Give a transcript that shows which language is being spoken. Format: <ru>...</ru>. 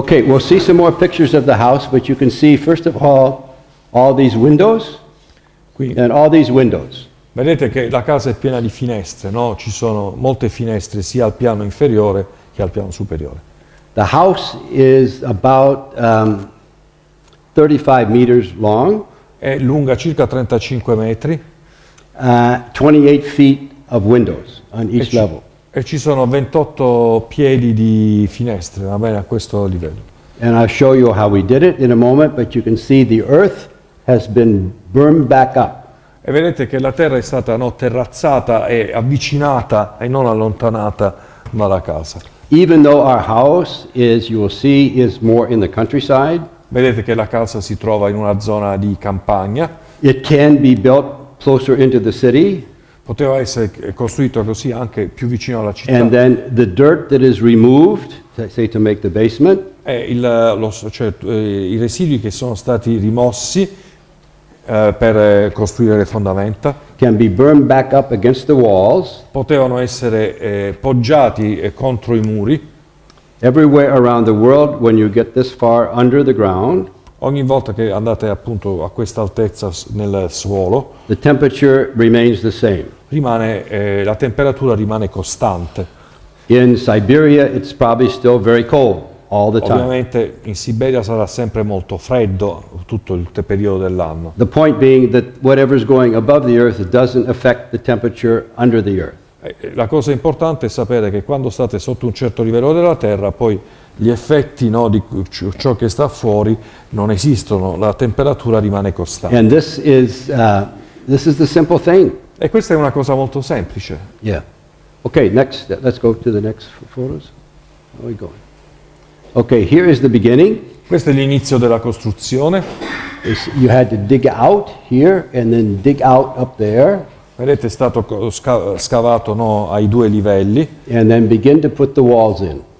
<en>Okay, we'll see some more pictures of the house, but you can see, first of all these windows, and all these windows.</en> <it>Vedete che la casa è piena di finestre, no? Ci sono molte finestre sia al piano inferiore che al piano superiore.</it> <en>The house is about 35 meters long.</en> <it>È lunga circa 35 metri.</it> <en>28 feet of windows on each level.</en> <it>E ci sono 28 piedi di finestre, va bene, a questo livello.</it> <en>And I'll show you how we did it in a moment, but you can see the earth has been burned back up.</en> <it>E vedete che la terra è stata, no, terrazzata e avvicinata e non allontanata dalla casa.</it> <en>Even though our house is, you will see, is more in the countryside.</en> <it>Vedete che la casa si trova in una zona di campagna.</it> <en>It can be built closer into the city.</en> <it>Poteva essere costruito così anche più vicino alla città.</it> <en>And then the dirt that is removed, say to make the basement.</en> <it>E i residui che sono stati rimossi per costruire le fondamenta,</it> <en>can be burned back up against the walls,</en> <it>potevano essere poggiati contro i muri.</it> <en>Everywhere around the world, when you get this far under the ground,</en> <it>ogni volta che andate appunto a questa altezza nel suolo,</it> <en>the temperature remains the same.</en> <it>Rimane la temperatura rimane costante.</it> <en>In Siberia, it's probably still very cold all the time.</en> <it>Ovviamente in Siberia sarà sempre molto freddo tutto il periodo dell'anno.</it> <en>The point being that whatever is going above the earth doesn't affect the temperature under the earth.</en> <it>La cosa importante è sapere che quando state sotto un certo livello della terra, poi gli effetti, no, di ciò che sta fuori non esistono, la temperatura rimane costante.</it> <en>And this is the simple thing.</en> <it>E questa è una cosa molto semplice.</it> <en>Yeah. Okay, next, let's go to the next photos. Where we go? Okay, here is the beginning.</en> <it>Questo è l'inizio della costruzione.</it> <en>You had to dig out here and then dig out up there.</en> <it>Vedete, è stato scavato, no, ai due livelli.</it> <en>And then begin to put the walls in.</en>